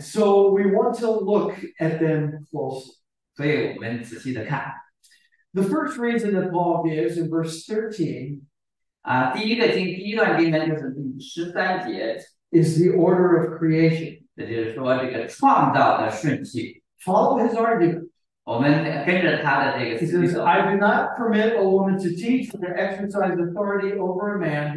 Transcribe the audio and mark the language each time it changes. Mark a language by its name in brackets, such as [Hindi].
[English] So we want to look at them closely. [Chinese] 所以我们仔细地看。 [English] The first reason that Paul gives in verse 13 [Chinese] 第一段经文就是第13节, [English] is the order of creation. [Chinese] 也就是说这个创造的顺序, [English] follow his argument. [Chinese] 我们跟着他的这个思路, [English] he says, I do not permit a woman to teach or to exercise authority over a man.